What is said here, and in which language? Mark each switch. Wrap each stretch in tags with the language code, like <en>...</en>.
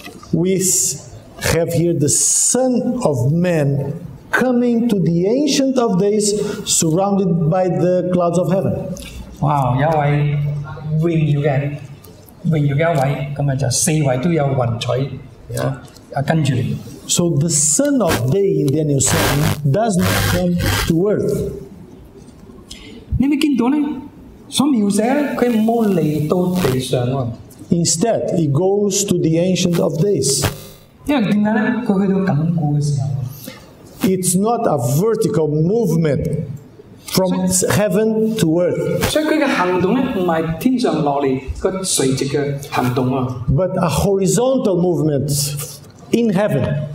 <en>We have here the Son of Man coming to the Ancient of Days, surrounded by the clouds of heaven.</en> <yue>Wow, 有位荣耀嘅，荣耀嘅一位，咁啊就四位都有云彩， yeah. 跟住。</yue> <en>So the Son of Day in Daniel 7 does not come to earth.</en> <yue>你咪见到咧，所描写咧，佢冇嚟到地上喎。</yue> <en>Instead, he goes to the Ancient of Days. It's not a vertical movement from heaven to earth. But a horizontal movement in heaven.</en>